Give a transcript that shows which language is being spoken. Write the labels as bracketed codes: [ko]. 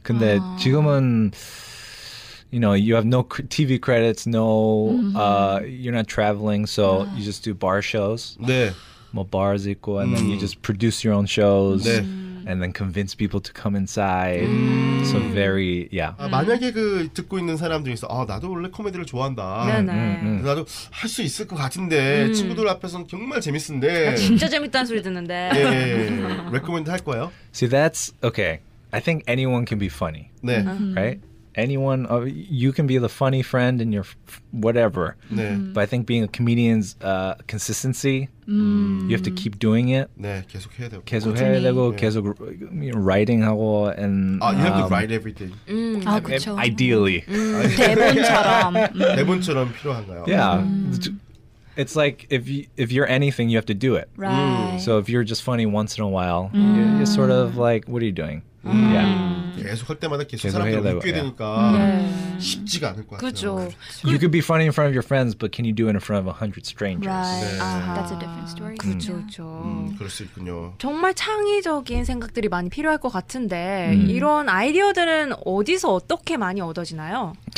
[ko] 근데 지금은 [en] you know, you have no TV credits, no you're not traveling, so you just do bar shows. [ko] 네. 뭐 bars 있고 [en] and then you just produce your own shows. 네. And then convince people to come inside. So very, yeah. [ko] 아, 만약에 그 듣고 있는 사람 중에서 아, 나도 원래 코미디를 좋아한다. 나도 할 수 있을 것 같은데 친구들 앞에서는 정말 재밌는데. 아, 진짜 재밌다는 소리 듣는데. 예, 예, 예. Recommend 할 거예요. [en] See, that's okay. I think anyone can be funny. [ko] 네. [en] Right? Anyone, you can be the funny friend in your whatever. [ko] 네. [en] But I think being a comedian's consistency, you have to keep doing it. [ko] 네, 계속해야 되고. 계속해야 되고, 네. 계속 [en] you know, [ko] writing하고. And, [en] you have to write everything. [ko] 아, 그렇죠. [en] Ideally. [ko] 대본처럼. 대본처럼 필요한가요? [en] Yeah. It's like if you're anything, you have to do it. Right. So if you're just funny once in a while, you're sort of like, what are you doing? Yeah. [ko] 계속 할 때마다 계속 사람들이 웃게 되니까 쉽지가 않을 것 같아요. 그렇죠. [en] You could be funny in front of your friends, but can you do it in front of 100 strangers? Right. 네. Uh-huh. That's a different story. 그렇죠. [ko] 그럴 수 있군요. 정말 창의적인 생각들이 많이 필요할 것 같은데 이런 아이디어들은 어디서 어떻게 많이 얻어지나요?